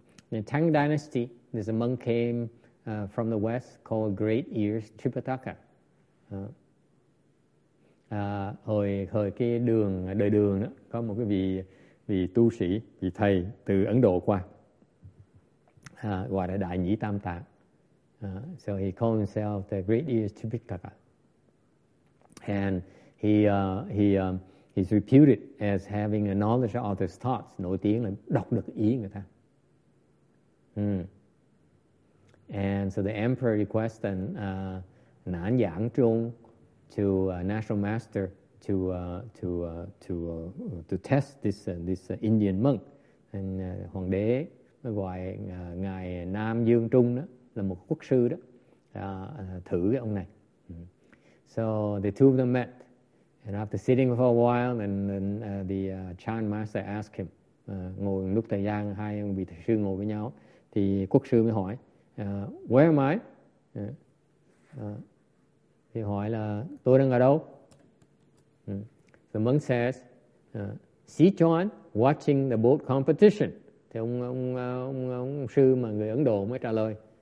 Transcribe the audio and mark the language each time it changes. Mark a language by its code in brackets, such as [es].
[en] In Tang Dynasty, there's a monk came from the west called Great Ears Tripitaka. [vi] Hồi cái đường đời đường đó có một cái vị tu sĩ, vị thầy từ Ấn Độ qua, gọi là Đại Nhĩ Tam Tạng. [en] So he called himself the Great Ears Tripitaka, and he's reputed as having a knowledge of others' thoughts. [vi] Nổi tiếng là đọc được ý người ta. [en] And so the emperor requested Nan Yang Zhong to national master to test this Indian monk. [vi] And Hoàng đế mới gọi ngài Nam Dương Trung đó. Là một quốc sư đó thử cái ông này. [en] So the two of them met, and after sitting for a while, then the Chan master asked him. [vi] Ngồi lúc thời gian hai ông vị thầy sư ngồi với nhau, thì quốc sư mới hỏi, [en] Where am I? [vi] Thì hỏi là tôi đang ở đâu? [en] The monk says, Si Chuan watching the boat competition. [vi] Thì ông sư mà người Ấn Độ mới trả lời.